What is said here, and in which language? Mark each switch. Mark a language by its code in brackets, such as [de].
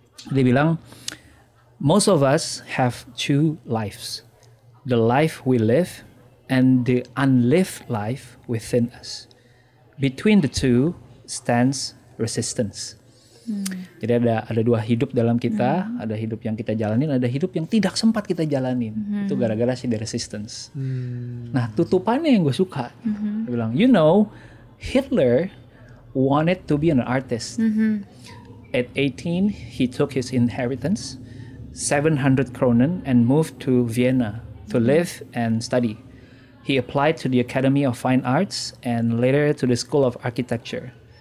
[id] Dia bilang, [en] most of us have two lives. the life we live and the unlived life within us. Between the two stands resistance. [id] Hmm. Jadi ada dua hidup dalam kita, hmm. ada hidup yang kita jalanin, ada hidup yang tidak sempat kita jalanin. Hmm. Itu gara-gara si [en] the resistance. [id] Hmm. Nah, tutupannya yang gue suka. [en] Hmm. [id] Dia bilang, [en] you know, Hitler wanted to be an artist. Hmm. At 18, he took his inheritance, 700 kronen, and moved to Vienna to live and study. He applied to the Academy of Fine Arts and later to the School of Architecture.